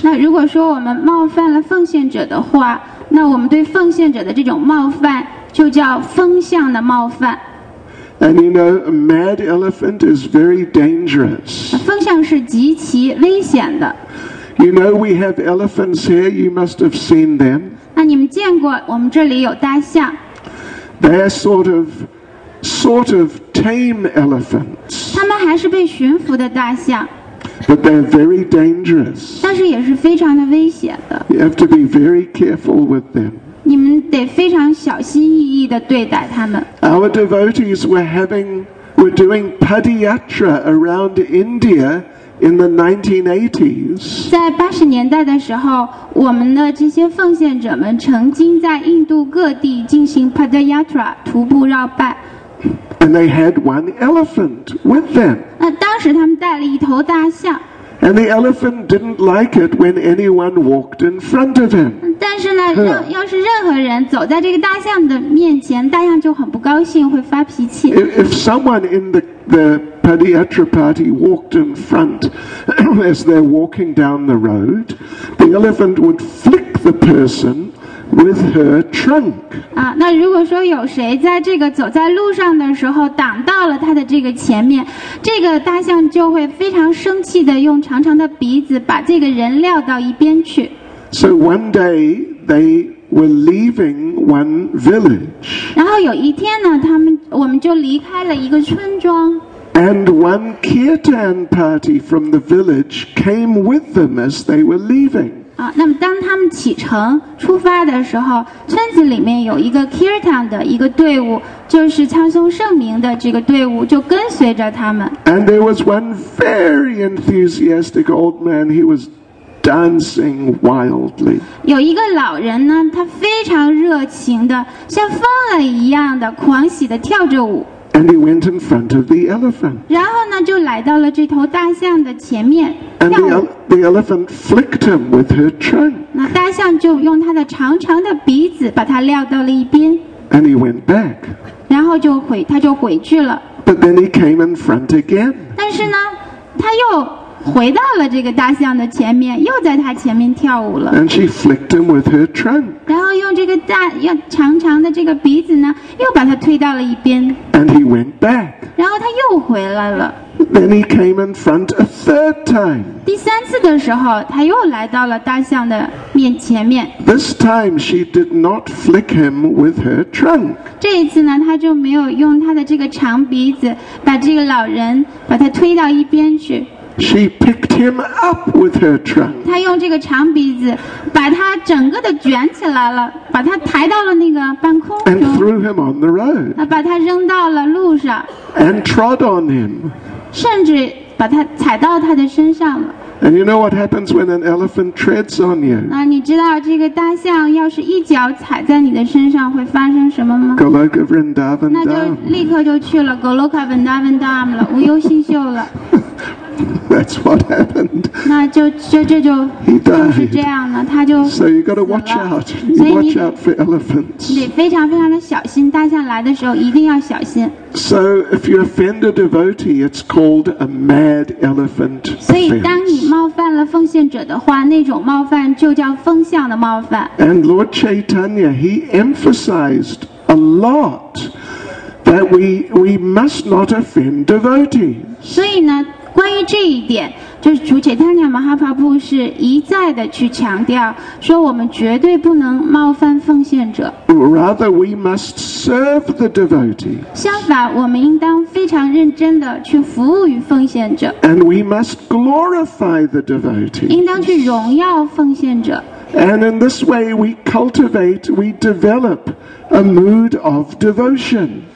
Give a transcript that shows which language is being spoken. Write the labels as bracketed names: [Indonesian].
[Chinese] 那如果说我们冒犯了奉献者的话，那我们对奉献者的这种冒犯就叫风向的冒犯。 [English] And you know, a mad elephant is very dangerous. [Chinese] 风向是极其危险的。 [English] You know, we have elephants here, you must have seen them. [Chinese] 那你们见过，我们这里有大象。 [English] They are sort of tame elephants. [Chinese] 他们还是被驯服的大象。 [English] But they're very dangerous. [Chinese] 但是也是非常的危险的。 [English] You have to be very careful with them. [Chinese] 你们得非常小心翼翼地对待他们。 [English] Our devotees were doing padyatra around India in the 1980s. [Chinese] 在八十年代的时候，我们的这些奉献者们曾经在印度各地进行 padyatra 徒步绕拜。 [English] And they had one elephant with them. [Chinese] 那当时他们带了一头大象。 [English] And the elephant didn't like it when anyone walked in front of him. [Chinese] 但是呢，要是任何人走在这个大象的面前，大象就很不高兴，会发脾气。 [English] If someone in the padyatra party walked in front as they're walking down the road, the elephant would flick the person with her trunk. [Chinese] 啊，那如果说有谁在这个走在路上的时候挡到了他的这个前面，这个大象就会非常生气的用长长的鼻子把这个人撂到一边去。 [English] So one day they were leaving one village. [Chinese] 然后有一天呢，我们就离开了一个村庄。 [English] And one kirtan party from the village came with them as they were leaving. [Chinese] 那么当他们启程出发的时候，村子里面有一个 kirtan 的一个队伍，就是唱诵圣名的这个队伍，就跟随着他们。 [English] And there was one very enthusiastic old man. He was dancing wildly. [Chinese] 有一个老人呢，他非常热情的，像疯了一样的狂喜的跳着舞。 [English] And he went in front of the elephant. [Chinese] 然后呢，就来到了这头大象的前面。 [English] And the elephant flicked him with her trunk. [Chinese] 那大象就用它的长长的鼻子把它撂到了一边。 [English] And he went back. [Chinese] 然后他就回去了。 [English] But then he came in front again. [Chinese] 但是呢，他又回到了这个大象的前面，又在他前面跳舞了。 [English] And she flicked him with her trunk. [Chinese] 然后用这个大用长长的这个鼻子呢，又把他推到了一边。 [English] And he went back. [Chinese] 然后他又回来了。 [English] Then he came in front a third time. [Chinese] 第三次的时候，他又来到了大象的面前面。 [English] This time she did not flick him with her trunk. [Chinese] 这一次呢，他就没有用他的这个长鼻子把这个老人把他推到一边去。 [English] She picked him up with her trunk. [Chinese] 她用这个长鼻子把他整个的卷起来了，把他抬到了那个半空中。 [English] And threw him on the road. [Chinese] 把他扔到了路上。 [English] And trod on him. [Chinese] 甚至把他踩到他的身上了。 [English] And you know what happens when an elephant treads on you? [Chinese] 那你知道这个大象要是一脚踩在你的身上会发生什么吗 [English] ？Goloka Vrindavan Dham. [Chinese] 那就立刻就去了 Goloka Vrindavan Dham 了，无忧心秀了。 [English] That's what happened. [Chinese] 那就 [English] He died. [Chinese] 就是这样了，他就死了。 [English] So you got to watch out. You watch out for elephants. [Chinese] 你得非常非常的小心，大象来的时候一定要小心。 [English] So if you offend a devotee, it's called a mad elephant offense. [Chinese] 所以当你冒犯了奉献者的话，那种冒犯就叫疯象的冒犯。 [English] And Lord Chaitanya, he emphasized a lot that we must not offend devotees. [Chinese] 所以呢？关于这一点，就是主解天亮马哈帕布是一再的去强调，说我们绝对不能冒犯奉献者。 [English] Rather, we must serve the devotees. [Chinese] 相反，我们应当非常认真的去服务于奉献者。 [English] And we must glorify the devotees. [Chinese] 应当去荣耀奉献者。 [English] And in this way, we cultivate, we develop a mood of devotion.